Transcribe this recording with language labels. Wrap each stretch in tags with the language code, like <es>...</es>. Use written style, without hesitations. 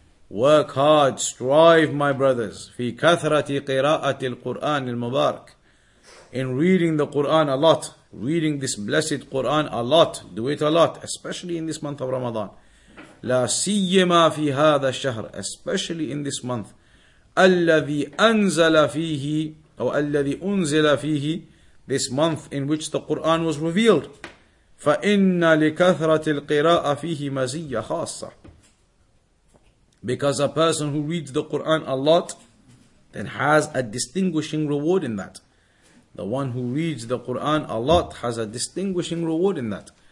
<en>Work hard, strive my brothers,</en> <ar>فِي كَثْرَةِ قِرَاءَةِ الْقُرْآنِ الْمُبَارِكِ.</ar> <en>In reading the Qur'an a lot, reading this blessed Qur'an a lot, do it a lot, especially in this month of Ramadan.</en> <ar>لَا سِيِّمَا فِي هَذَا الشَّهْرِ.</ar> <en>Especially in this month.</en> <ar>أَلَّذِي أَنزَلَ فِيهِ أو أَلَّذِي أُنزِلَ فِيهِ.</ar> <en>This month in which the Qur'an was revealed.</en> <ar>فَإِنَّ لِكَثْرَةِ الْقِرَاءَ فِيهِ مَزِيَّ خَاصَّةِ.</ar> <en>Because a person who reads the Qur'an a lot, then has a distinguishing reward in that. The one who reads the Qur'an a lot has a distinguishing reward in that.</en>